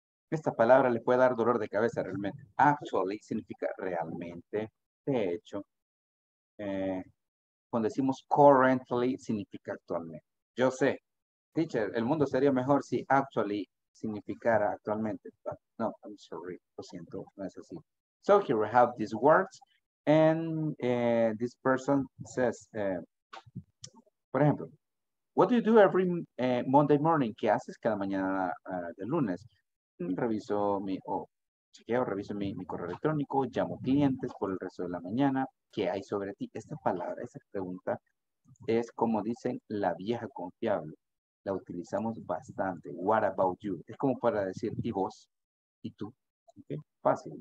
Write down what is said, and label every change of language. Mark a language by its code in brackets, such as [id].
[es] Esta palabra le puede dar dolor de cabeza realmente. Actually significa realmente, de hecho. Cuando decimos currently significa actualmente. Yo sé. Teacher, el mundo sería mejor si actually significara actualmente. [en] But no, I'm sorry, [es] lo siento, no es así. [en] So here we have these words, and this person says, [es] por ejemplo, [en] what do you do every Monday morning? [es] ¿Qué haces cada mañana de lunes? Reviso mi, reviso mi correo electrónico, llamo clientes por el resto de la mañana. ¿Qué hay sobre ti? Esta palabra, esa pregunta, es como dicen la vieja confiable. La utilizamos bastante. [en] What about you? [es] Es como para decir, ¿y vos? ¿Y tú? Okay. Fácil.